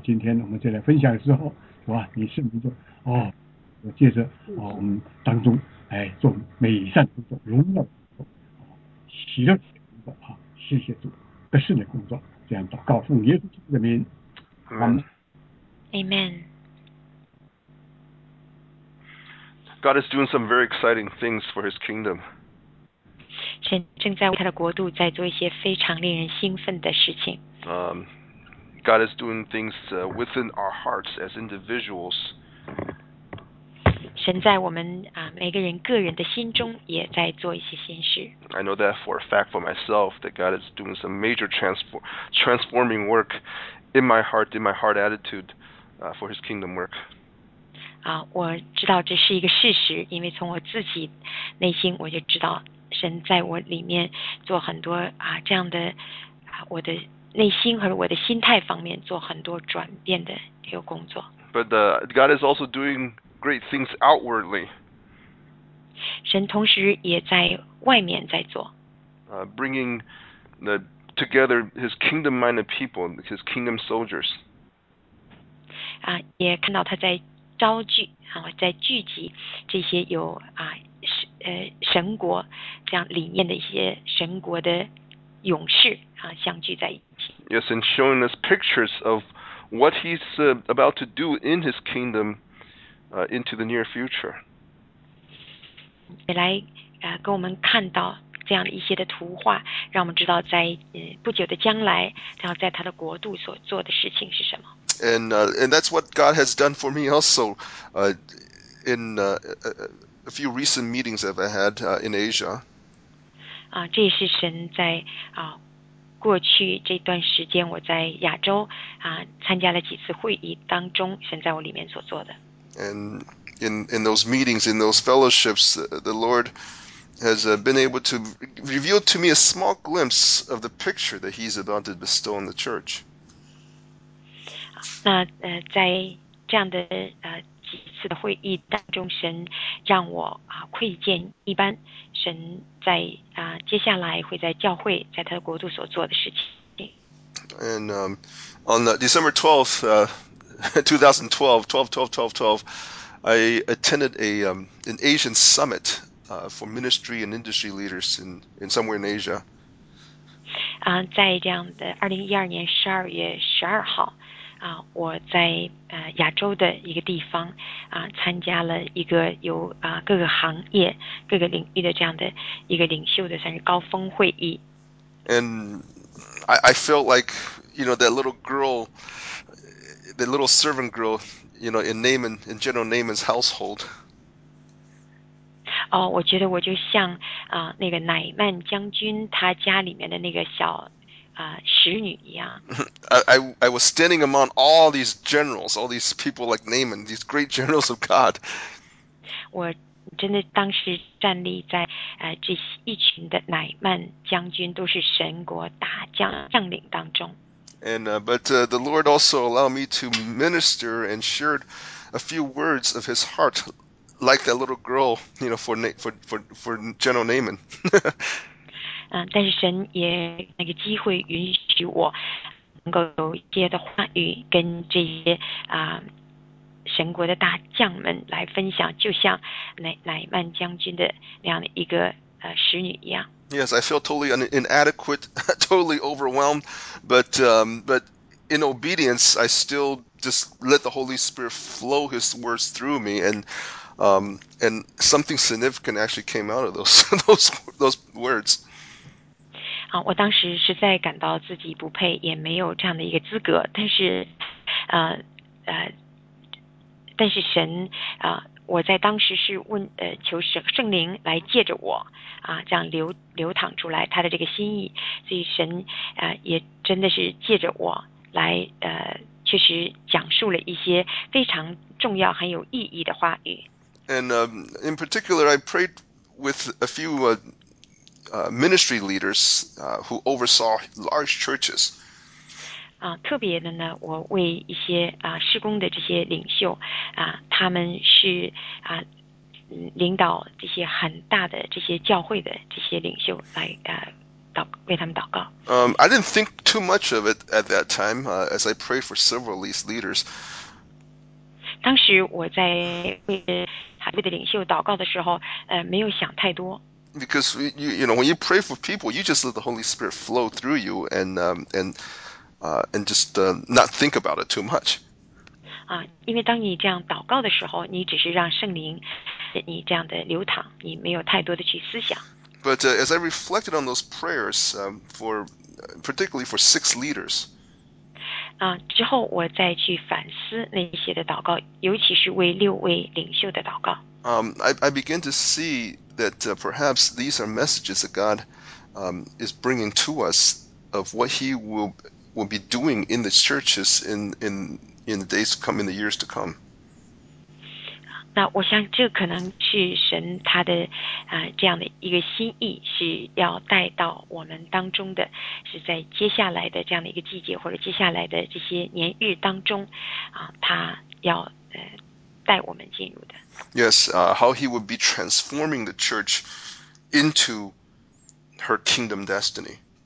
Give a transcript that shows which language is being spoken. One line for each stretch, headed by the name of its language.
Chinese: 今天我们再来分享的时候，是吧？你是名字哦，我借着哦我们当中哎做美善工作，荣耀喜乐工作啊，谢谢主得胜的工作，这样祷告奉耶稣基督的名。
English: Amen. God is doing some very exciting things for His kingdom.
Chinese: 神正在为他的国度在做一些非常令人兴奋的事情。
English: God is doing things within our hearts as individuals.
Chinese: 神在我们每个人个人的心中也在做一些新事。
English: I know that for a fact for myself that God is doing some major transforming work. In my heart, in my heart attitude, for His kingdom work.
Chinese: 啊，我知道这是一个事实，因为从我自己内心我就知道神在我里面做很多啊这样的啊我的内心和我的心态方面做很多转变的一个工作。
English: But God is also doing great things outwardly.
Chinese: 神同时也在外面在做。
English: Bringing the together his kingdom minded people, his kingdom soldiers.
Chinese: 也看到他在召聚在聚集这些有神国这样理念的一些神国的勇士相聚在一起。
English: Yes, and showing us pictures of what he's about to do in his kingdom into the near future.
Chinese: 也来给我们看到这样的一些的图画，让我们知道在不久的将来，然后在他的国度所做的事情是什么。
English: And that's what God has done for me also, in a few recent meetings that I've had in Asia.
Chinese: 这也是神在过去这段时间我在亚洲参加了几次会议当中，神在我里面所做的。
English: And in those meetings, in those fellowships, the Lord. Has been able to reveal to me a small glimpse of the picture that he's about to bestow on the church.
Chinese: 那在这样的几次的会议当中，神让我窥见一般神在接下来会在教会在他的国度所做的事情。
English: And on December 12th, 2012, I attended an Asian summit. For ministry and industry leaders in somewhere in Asia.
Chinese: 在这样的2012年12月12号，我在亚洲的一个地方参加了一个由各个行业各个领域的这样的一个领袖的算是高峰会议。
English: And I felt like, you know, that little girl, the little servant girl, you know, in General Naaman's household.
Chinese: 我觉得我就像那个乃曼将军他家里面的那个小使女一样。
English: I was standing among all these generals, all these people like Naaman, these great generals of God.
Chinese: 我真的当时站立在这一群的乃曼将军都是神国大将领当中。
English: But the Lord also allowed me to minister and shared a few words of His heart. Like that little girl, you know, for General Naaman.
Chinese: 但是神也那个机会允许我能够有一些的话语跟这些神国的大将们来分享，就像乃曼将军的那样的一个使女一样。
English: Yes, I feel totally inadequate, totally overwhelmed, but in obedience, I still just let the Holy Spirit flow His words through me and. And something significant actually came out of those words.
Chinese: 我当时实在感到自己不配，也没有这样的一个资格。但是神我在当时是求圣灵来借着我这样流淌出来他的这个心意。所以神也真的是借着我来确实讲述了一些非常重要很有意义的话语。
English: And in particular, I prayed with a few ministry leaders who oversaw large churches.
Chinese: 特别的呢，我为一些事工的这些领袖他们是领导这些很大的这些教会的这些领袖来为他们祷告。
English: I didn't think too much of it at that time, as I prayed for several of these leaders.
Chinese: 当时我在为海外的领袖祷告的时候，没有想太多。
English: Because you know, when you pray for people, you just let the Holy Spirit flow through you and not think about it too much.
Chinese: 因为当你这样祷告的时候，你只是让圣灵你这样的流淌，你没有太多的去思想。
English: But as I reflected on those prayers, for particularly for six leaders.
Chinese: 之后我再去反思那些的祷告，尤其是为六位领袖的祷告。
English: I begin to see that perhaps these are messages that God is bringing to us of what He will be doing in the churches in the days to come, in the years to come.
Chinese: 那我想这可能是神他的这样的一个心意，是要带到我们当中的，是在接下来的这样的一个季节或者接下来的这些年日当中他要带我们进入的。
English: Yes, how he would be transforming the church into her kingdom destiny.